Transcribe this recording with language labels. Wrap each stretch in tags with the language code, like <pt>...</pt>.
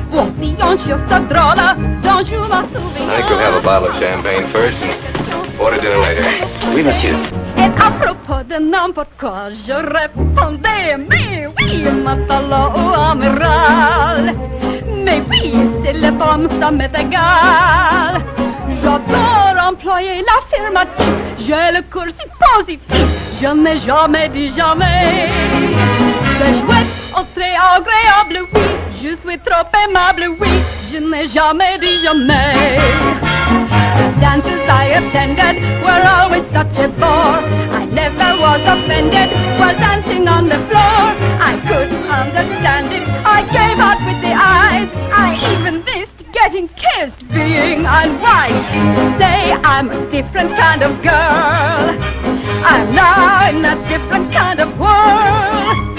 <fr>Voici un chausson drôle, dont je m'en souviens.</fr> <en>I could have a bottle of champagne first and order dinner later.</en> <fr>Oui, monsieur. Et à propos de n'importe quoi, je répondais, mais oui, matelot ou amiral. Mais oui, c'est les pommes, ça m'est égal. J'adore employer l'affirmatif, j'ai le cursif positif, je n'ai jamais dit jamais. C'est chouette, oh, très agréable, oui, je suis trop aimable, oui, je n'ai jamais dit jamais.</fr> <en>Dances I attended were always such a bore. I never was offended while dancing on the floor. I couldn't understand it, I gave out with the eyes, I even missed getting kissed, being unwise. Say I'm a different kind of girl. I'm now in a different kind of world.</en>